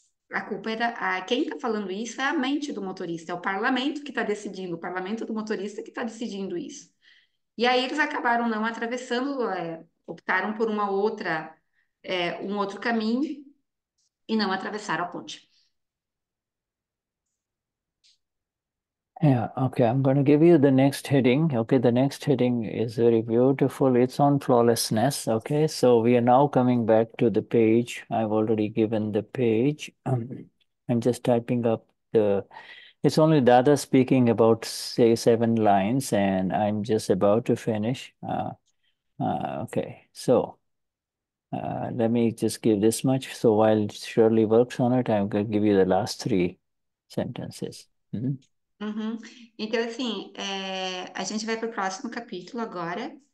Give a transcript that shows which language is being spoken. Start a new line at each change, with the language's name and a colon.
Portuguese: A culpa é quem está falando isso é a mente do motorista, é o parlamento que está decidindo, o parlamento do motorista que está decidindo isso. E aí eles acabaram não atravessando, optaram por um outro caminho e não atravessaram a ponte.
English: Yeah, okay. I'm going to give you the next heading. Okay, the next heading is very beautiful. It's on flawlessness. Okay, so we are now coming back to the page. I've already given the page. I'm just typing up the. It's only Dada speaking about, say, 7 lines, and I'm just about to finish. Okay, so let me just give this much. So while Shirley works on it, I'm going to give you the last 3 sentences.
Portuguese: Então, assim, a gente vai para o próximo capítulo agora.